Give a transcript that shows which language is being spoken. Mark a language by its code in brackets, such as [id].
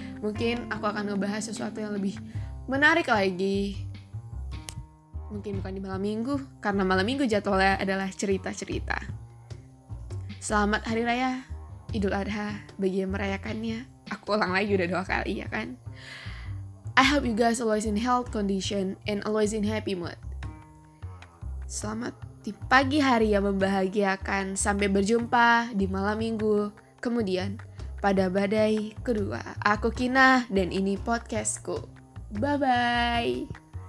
[id] Mungkin aku akan ngebahas sesuatu yang lebih menarik lagi. Mungkin bukan di malam minggu, karena malam minggu jadwalnya adalah cerita-cerita. Selamat Hari Raya Idul Adha bagi yang merayakannya. Aku ulang lagi udah 2 kali ya kan. [en] I hope you guys always in health condition and always in happy mood. [id] Selamat di pagi hari yang membahagiakan. Sampai berjumpa di malam minggu kemudian pada badai kedua. Aku Kina dan ini podcastku. Bye-bye.